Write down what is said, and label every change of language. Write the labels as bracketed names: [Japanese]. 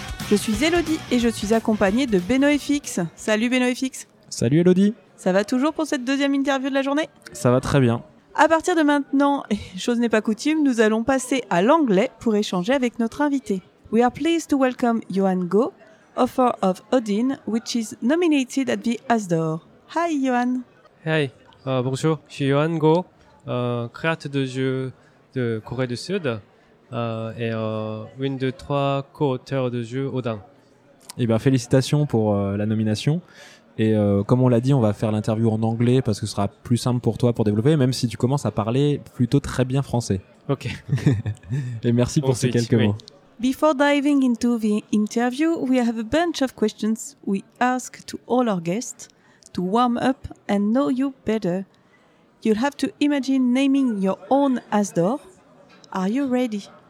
[French] Je suis Elodie et je suis accompagnée de Beno FX. Salut Beno FX. Salut Elodie. Ça va toujours pour cette deuxième interview de la journée? Ça va très bien. À partir de maintenant, chose n'est pas coutume, nous allons passer à l'anglais pour échanger avec notre invité. [English] We are pleased to welcome Johan Go, author of Odin, which is nominated at the ASDOR. Hi Johan. [French] Hey, bonjour, je suis Johan Go, créateur de jeux de Corée du Sud. Une de trois co-auteurs de jeux Odin. Eh bien, félicitations pour la nomination. Et comme on l'a dit, on va faire l'interview en anglais parce que ce sera plus simple pour toi pour développer, même si tu commences à parler plutôt très bien français. Ok. Et merci pour ces quelques mots. [English] Before diving into the interview, we have a bunch of questions we ask to all our guests to warm up and know you better. You'll have to imagine naming your own ASDOR. Are you ready?